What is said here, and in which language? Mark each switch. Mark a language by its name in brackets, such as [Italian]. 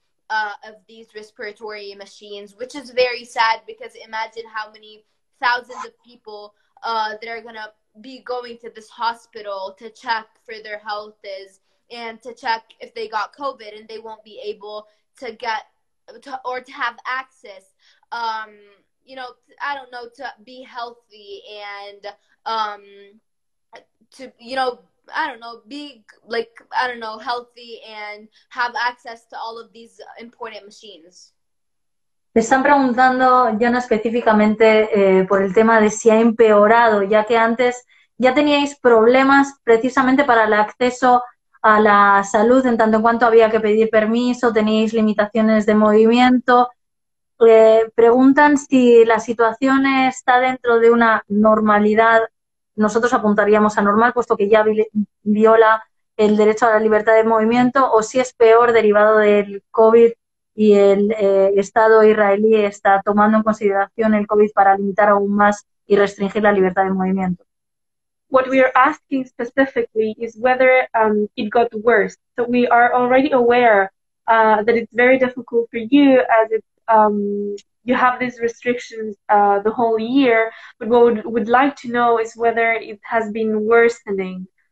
[English] of these respiratory machines, which is very sad because imagine how many thousands of people that are gonna be going to this hospital to check for their health is and to check if they got COVID, and they won't be able to get to have access, you know, I don't know, to be healthy and to, you know, I don't know, be like, I don't know, healthy and have access to all of these important machines. [Spanish] Me están preguntando, Janna, específicamente por el tema de si ha empeorado, ya que antes ya teníais problemas precisamente para el acceso a la salud, en tanto en cuanto había que pedir permiso, teníais limitaciones de movimiento. Preguntan si la situación está dentro de una normalidad. Nosotros apuntaríamos a normal, puesto que ya viola el derecho a la libertad de movimiento, o si es peor derivado del COVID y el Estado israelí está tomando en consideración el COVID para limitar aún más y restringir la libertad de movimiento. [English] What we are asking specifically is whether it got worse. So we are already aware that it's very difficult for you as it, you have these restrictions the whole year, but what we would like to know is whether it has been worsening.